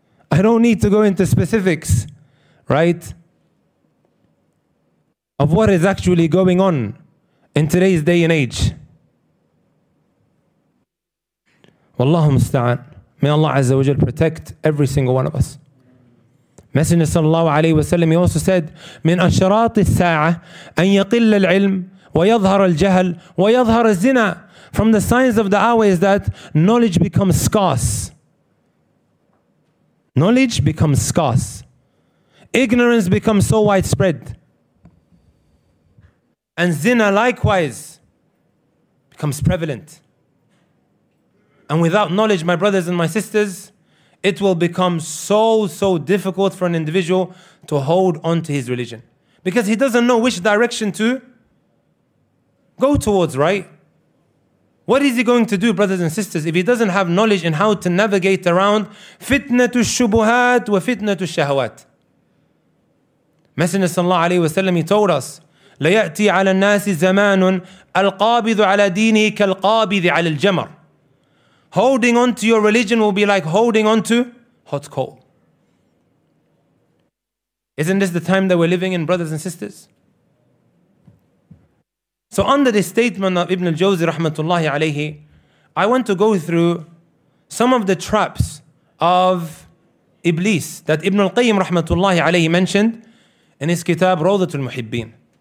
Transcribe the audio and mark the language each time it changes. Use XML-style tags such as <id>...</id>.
<en>I don't need to go into specifics, right? Of what is actually going on in today's day and age. Wallahu musta'an. May Allah Azza wa Jal protect every single one of us. Messenger sallallahu alayhi wa sallam, he also said,</en> <ar>من أشراط الساعة أن يقل العلم ويظهر الجهل ويظهر الزنا.</ar> <en>From the signs of the hour is that knowledge becomes scarce. Knowledge becomes scarce. Ignorance becomes so widespread. And zina likewise becomes prevalent. And without knowledge, my brothers and my sisters, it will become so, so difficult for an individual to hold on to his religion. Because he doesn't know which direction to go towards, right? What is he going to do, brothers and sisters, if he doesn't have knowledge in how to navigate around</en> <ar>fitnatu shubuhat wa fitnatu shahawat?</ar> <en>Messenger sallallahu alayhi wa sallam, he told us,</en> <ar>لَيَأْتِي عَلَى النَّاسِ زَمَانٌ الْقَابِذُ عَلَى دِينِهِ كَالْقَابِذِ عَلَى الْجَمَرِ.</ar> <en>Holding on to your religion will be like holding on to hot coal. Isn't this the time that we're living in, brothers and sisters? So under this statement of Ibn al-Jawzi rahmatullahi alayhi, I want to go through some of the traps of Iblis that Ibn al-Qayyim rahmatullahi alayhi mentioned in his kitab Rawdatul Muhibbin.</en>